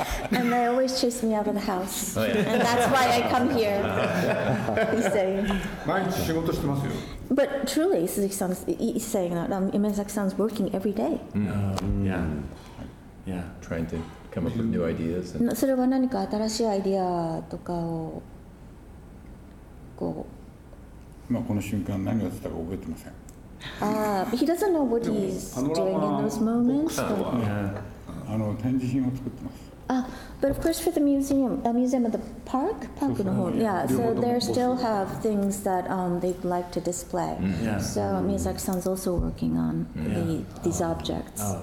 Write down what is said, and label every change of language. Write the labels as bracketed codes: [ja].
[en] And they always chase me out of the house. Oh, yeah. And that's why I come here. He's saying. But truly, Suzuki-san, he's saying that Yamazaki-san's working every day. Mm. Yeah. Yeah. Trying to come up with new ideas. [ja] それは何か新しいアイデアとかをこう。まあこの瞬間何が出たか覚えてません。 [en] He doesn't know what he's doing in those moments. [ja] あの展示品を作ってます。 [en] But of course for the museum, a museum at the park, park [ja] の方、 [en] yeah. So they still have things that they'd like to display. So Miyazaki-san's also working on these objects.